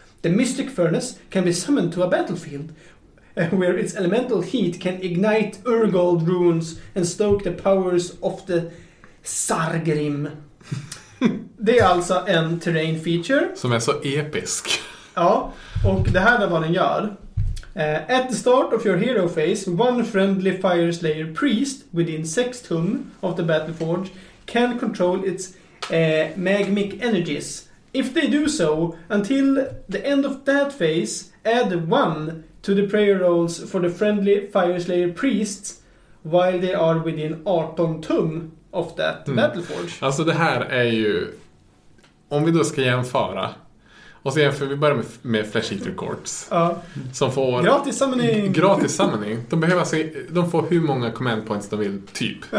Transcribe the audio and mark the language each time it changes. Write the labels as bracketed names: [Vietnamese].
[English] The Mystic Furnace can be summoned to a battlefield where its elemental heat can ignite Urgold runes and stoke the powers of the Sargrim. [Swedish] Det är alltså en terrain feature. Som är så episk. Ja, och det här är vad den gör. [English] At the start of your hero phase, one friendly Fire Slayer priest within 6 tum of the Battleforge can control its magmic energies. If they do so, until the end of that phase, add 1 to the prayer rolls for the friendly Fire Slayer priests while they are within 18 tum of that Battleforge. [Swedish] Alltså det här är ju, om vi då ska jämföra, och så jämför vi bara med Flesh Eater Courts som får gratis summoning. De behöver alltså, de får hur många command points de vill typ.